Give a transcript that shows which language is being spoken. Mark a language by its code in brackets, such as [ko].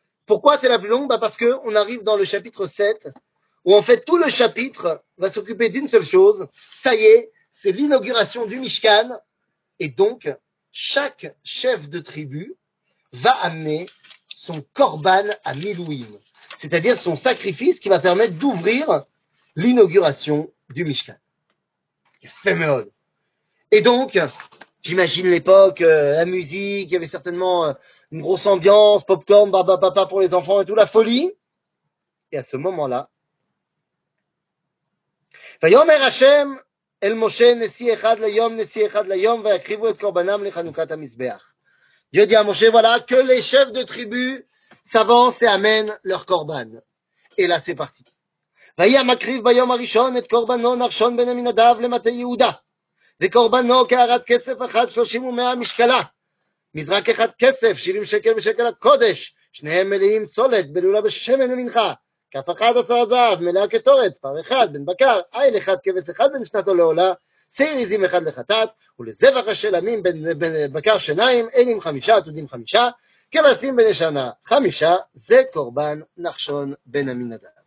[fr] Pourquoi c'est la plus longue ? Ben parce qu'on arrive dans le chapitre 7, où en fait tout le chapitre va s'occuper d'une seule chose, ça y est, c'est l'inauguration du Mishkan, et donc chaque chef de tribu va amener son korban à Milouim, c'est-à-dire son sacrifice qui va permettre d'ouvrir l'inauguration du Mishkan. Fémeol. Et donc, j'imagine l'époque, la musique, il y avait certainement une grosse ambiance, popcorn, baba papa pour les enfants et tout, la folie. Et à ce moment-là, [he] ויאמר השם אל משה נשיא אחד ליום, נשיא אחד ליום, ויקריבו את קורבנם לחנוכת המזבח. יודיע משה, [fr] voilà, que les chefs de tribu s'avancent et amènent leur corban. Et là, c'est parti. [he] ויהי המקריב ביום הראשון את קורבנו נחשון בן עמינדב למטה יהודה. וקורבנו כערת כסף אחת שלושים ומאה משקלה. מזרק אחד כסף, שבעים שקל בשקל הקודש. שניהם מלאים סולת, בלולה בשמן למנחה. כף אחד עשר הזהב, מלאה כתורת, פר אחד, בן בקר, איל אחד, כבש אחד בן שנתו לעולה, שעיר עזים אחד לחטאת, ולזבח השלמים בן בקר שניים, אלים חמישה, עתודים חמישה, כבשים בני שנה חמישה, זה קורבן נחשון בן עמינדב.